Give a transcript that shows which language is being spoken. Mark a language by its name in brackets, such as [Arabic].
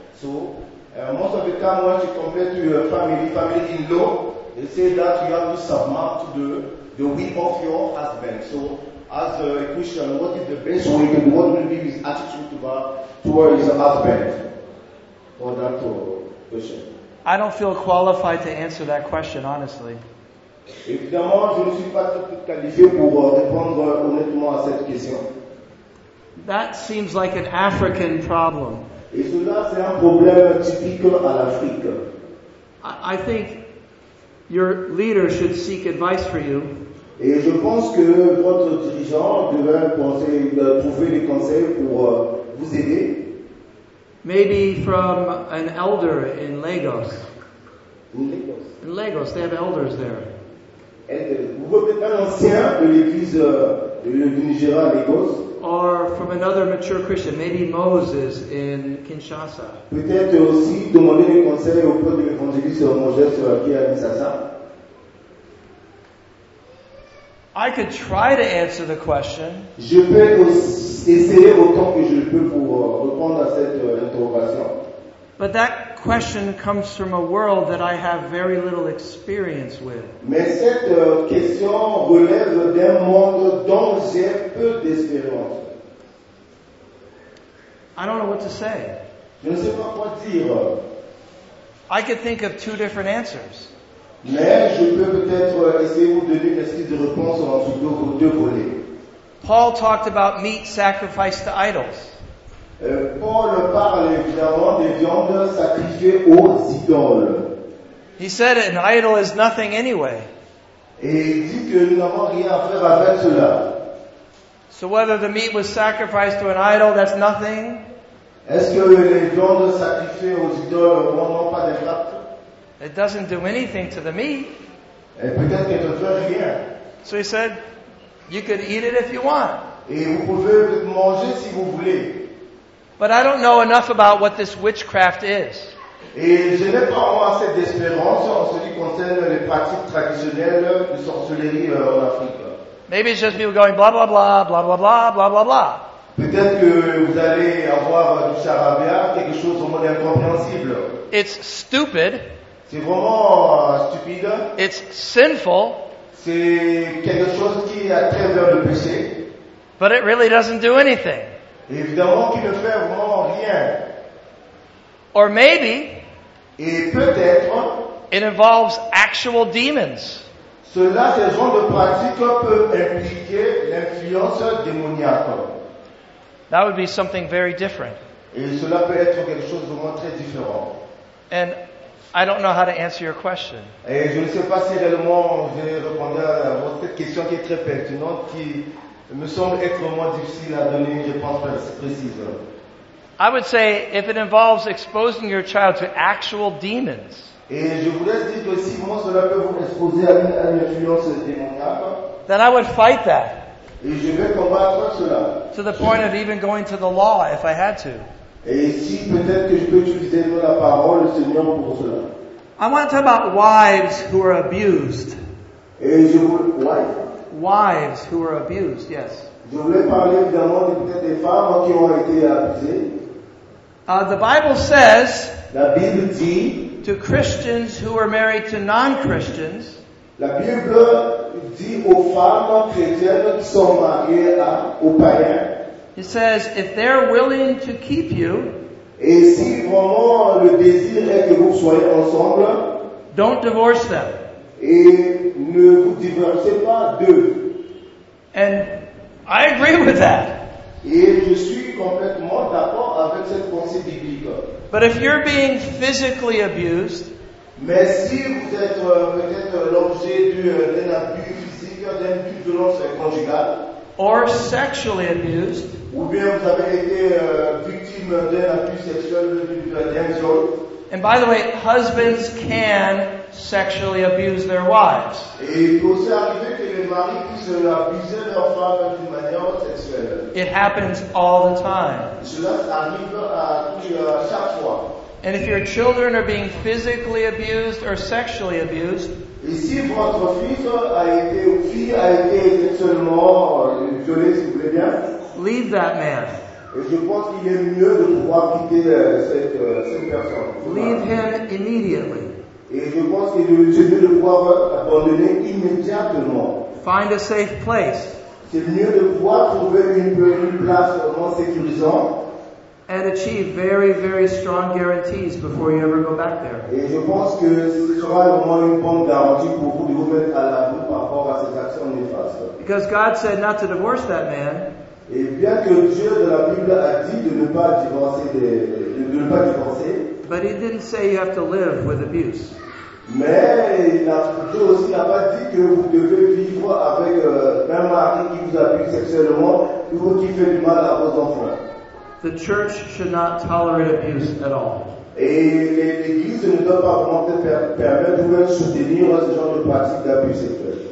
[English] So, most of the time when you compare to your family-in-law, they say that you have to submit to the will of your husband. So, as a Christian, what is the best way to what will be his attitude toward his husband? For that question. I don't feel qualified to answer that question, honestly. [French] Évidemment, je ne suis pas qualifié pour répondre honnêtement à cette question. [English] That seems like an African problem. [French] Et cela, c'est un problème typique à l'Afrique. [English] I think your leader should seek advice for you. [French] Et je pense que votre dirigeant devrait penser de trouver des conseils pour vous aider. [English] Maybe from an elder in Lagos. Lagos. In Lagos, they have elders there. [French] Vous pouvez être un ancien de l'église du Nigeria à Lagos. [English] Or from another mature Christian, maybe Moses in Kinshasa. [French] Peut-être aussi demander des conseils auprès de l'évangéliste Moses qui est à Kinshasa. [English] I could try to answer the question. [French] Je peux essayer autant que je peux pour répondre à cette interrogation. [English] But that question comes from a world that I have very little experience with. [French] Mais cette question relève d'un monde dont j'ai peu d'expérience. [English] I don't know what to say. [French] Je ne sais pas quoi dire. [English] I could think of two different answers. [French] Mais je peux peut-être essayer de vous donner une esquisse de réponse en sous deux volets. [English] Paul talked about meat sacrificed to idols. [French] Paul parle évidemment des viandes sacrifiées aux idoles. [English] He said an idol is nothing anyway. [French] Et il dit que nous n'avons rien à faire avec cela. [English] So whether the meat was sacrificed to an idol, that's nothing. [French] Est-ce que les viandes sacrifiées aux idoles n'ont pas d'impact? [English] It doesn't do anything to the meat. [French] Et peut-être qu'elle ne fait rien. [English] So he said, you could eat it if you want. [French] Et vous pouvez manger si vous voulez. [English] But I don't know enough about what this witchcraft is. [French] Et je n'ai pas assez d'espérance en ce qui concerne les pratiques traditionnelles de sorcellerie en Afrique. [English] Maybe it's just people going blah blah blah blah blah blah blah blah blah. [French] Peut-être que vous allez avoir du charabia, quelque chose au moins incompréhensible. [English] It's stupid. [French] C'est vraiment stupide. [English] It's sinful. [French] C'est quelque chose qui a très bien le péché. [English] But it really doesn't do anything. [French] Et évidemment qu'il ne fait vraiment rien. [English] Or maybe. [French] Et peut-être. [English] It involves actual demons. [French] Cela, ce genre de pratique peut impliquer l'influence démoniaque. [English] That would be something very different. [French] Et cela peut être quelque chose vraiment très différent. [English] And I don't know how to answer your question. [French] Et je ne sais pas si réellement je vais répondre à votre question qui est très pertinente, qui me semble être moins difficile à donner une réponse précise. [English] I would say if it involves exposing your child to actual demons. [French] Et je voudrais dire que si moi cela peut vous exposer à une influence démoniaque. [English] Then I would fight that. [French] Et je vais combattre cela. [English] To the point of even going to the law if I had to. [French] Et si peut-être que je peux utiliser la parole du Seigneur pour cela. [English] I want to talk about wives who are abused. [French] Et je voulais, [English] wives who are abused, yes. [French] Je voulais parler évidemment peut-être des femmes qui ont été abusées. [English] The Bible says, [French] la Bible dit, [English] to Christians who are married to non-Christians, [French] la Bible dit aux femmes chrétiennes qui sont mariées à, aux païens. [English] It says, if they're willing to keep you, [French] et si vraiment le désir est que vous soyez ensemble, [English] don't divorce them. [French] Et ne vous divorcez pas d'eux. [English] And I agree with that. [French] Et je suis complètement d'accord avec cette pensée biblique. [English] But if you're being physically abused, [French] mais si vous êtes peut-être l'objet d'un abus physique, d'une violence conjugale, [English] or sexually abused, [French] ou bien vous avez été victime d'un abus sexuel d'un viol. [English] And by the way, husbands can sexually abuse their wives. [French] Et il peut arriver que les maris puissent abuser leurs femmes d'une manière sexuelle. [English] It happens all the time. [French] Cela arrive à chaque fois. [English] And if your children are being physically abused or sexually abused, [French] et si votre fils a été, ou fille a été sexuellement violée, s'il vous plaît bien, [English] leave that man. [French] Et je pense qu'il est mieux de pouvoir quitter cette personne. [English] Leave him immediately. [French] Et je pense qu'il est mieux de pouvoir abandonner immédiatement. [English] Find a safe place. [French] C'est mieux de pouvoir trouver une place vraiment sécurisante. [English] And achieve very, very strong guarantees before you ever go back there. [French] Et je pense que ce sera vraiment une bonne garantie pour vous de vous mettre à l'abri par rapport à cette action néfaste. [English] Because God said not to divorce that man. [French] Et bien que Dieu de la Bible a dit de ne pas divorcer, de ne pas divorcer. [English] But he didn't say you have to live with abuse. [French] Mais il n'a pas dit que vous devez vivre avec un mari qui vous abuse sexuellement ou qui fait du mal à vos enfants. [English] The church should not tolerate abuse at all. [French] Et l'Église ne doit pas vraiment permettre ou soutenir ce genre de pratique d'abus sexuel.